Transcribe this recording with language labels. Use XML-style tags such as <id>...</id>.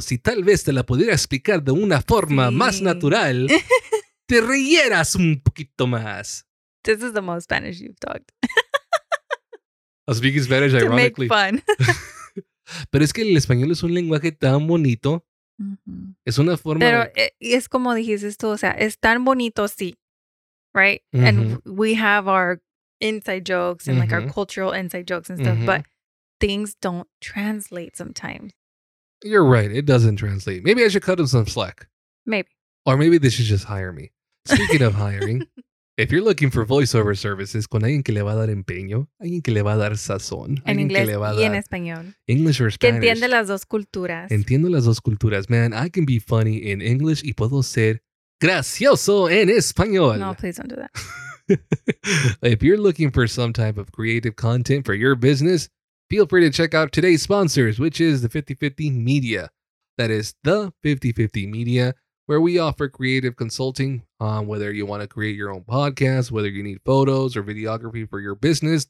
<es>Si tal vez te la pudiera explicar de una forma más natural, te reyeras un poquito más.</es> <en>This is the most Spanish you've talked. I speak Spanish ironically. To make fun.</en> <es>Pero es que el español es un lenguaje tan bonito. Mm-hmm. Es una forma... Pero es como dijiste tú, o sea, es tan bonito, sí.</es> <en>Right? Mm-hmm. And we have our inside jokes and mm-hmm. like our cultural inside jokes and stuff, mm-hmm. but things don't translate sometimes. You're right. It doesn't translate. Maybe I should cut him some slack. Maybe. Or maybe they should just hire me. Speaking of hiring, if you're looking for voiceover services</en> <es>con alguien que le va a dar empeño, alguien que le va a dar sazón, en inglés que le va a dar, y en español.</es> <en>English or Spanish.</en> <es>Que entiende las dos culturas. Entiendo las dos culturas.</es> <en>Man, I can be funny in English</en> <es>y puedo ser gracioso en español.</es> <en>No, please don't do that. If you're looking for some type of creative content for your business, feel free to check out today's sponsors, which is the 5050 Media. That is the 5050 Media, where we offer creative consulting on whether you want to create your own podcast, whether you need photos or videography for your business.</en>